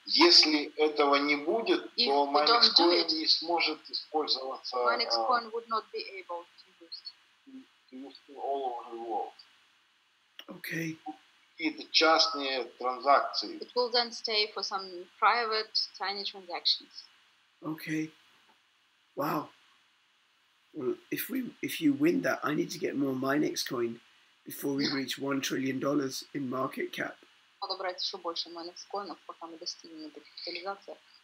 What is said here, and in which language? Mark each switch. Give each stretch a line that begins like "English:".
Russian: Если этого не будет, то Minexcoin не сможет использоваться.
English: Minexcoin would not be able to use all over the world. Okay.
Russian: Какие-то частные транзакции.
English: It will then stay for some private tiny transactions. Okay. Wow. Well, if you win that, I need to get more Minexcoin before we reach $1 trillion in market cap.
Russian: Надо брать еще больше Minexcoin, пока мы достигнем этой капитализации.